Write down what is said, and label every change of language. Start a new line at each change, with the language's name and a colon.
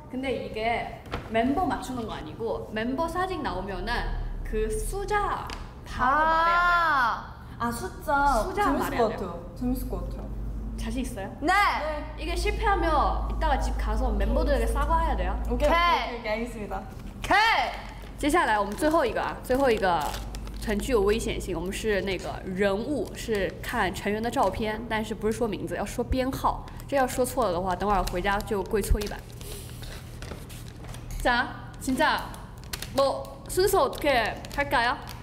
Korean: 근데 이게 멤버 맞추는 거 아니고 멤버 사진 나오면은 그 수자 바로 말해야 돼. 아 숫자. 숫자 재밌을 것 같아요. 재밌을 것 같아요. 자신 있어요? 네. 네. 이게 실패하면 이따가 집 가서 멤버들에게 사과해야 돼요. 오케이. 알겠습니다. 오케이.
Chinese: 接下来我们最后一个。程序有危险性，我们是那个人物是看成员的照片，但是不是说名字，要说编号。这要说错了的话，等会儿回家就跪搓衣板。
Korean: 자진짜뭐순서어떻게할까요